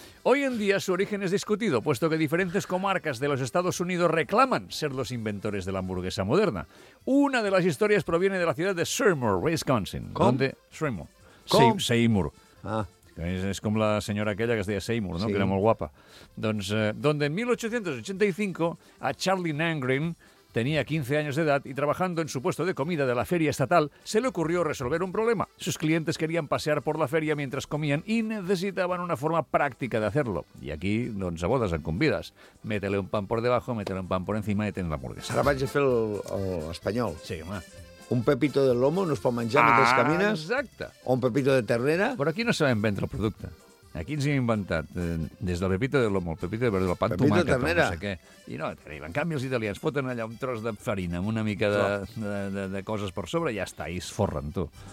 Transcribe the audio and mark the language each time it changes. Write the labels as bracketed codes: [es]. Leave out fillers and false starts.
[es] Hoy en día su origen es discutido, puesto que diferentes comarcas de los Estados Unidos reclaman ser los inventores de la hamburguesa moderna. Una de las historias proviene de la ciudad de Seymour, Wisconsin. [ca] Com? [es] Donde... Seymour. [ca] Com? Seymour. Ah, és com la senyora aquella que es deia Seymour, no? Sí. Que era molt guapa. [es] Doncs, donde en 1885, a Charlie Nangreen, tenía 15 años de edad y trabajando en su puesto de comida de la feria estatal, se le ocurrió resolver un problema. Sus clientes querían pasear por la feria mientras comían y necesitaban una forma práctica de hacerlo. Y aquí, doncs, a bodas en convidas. Métele un pan por debajo, métele un pan por encima y ten la hamburguesa. [ca] Ara vaig a fer l'espanyol. Sí, home. Un pepito de lomo no es pot menjar mentre camines. Exacte. O un pepito de ternera. Però aquí no sabem vendre el producte. Aquí ens hi hem inventat. Des del pepito de lomo, el pepito de verdura, el pan pepito tomàquet, de no sé què. I no, en canvi els italians foten allà un tros de farina amb una mica de coses per sobre i ja està, i es forren, tu.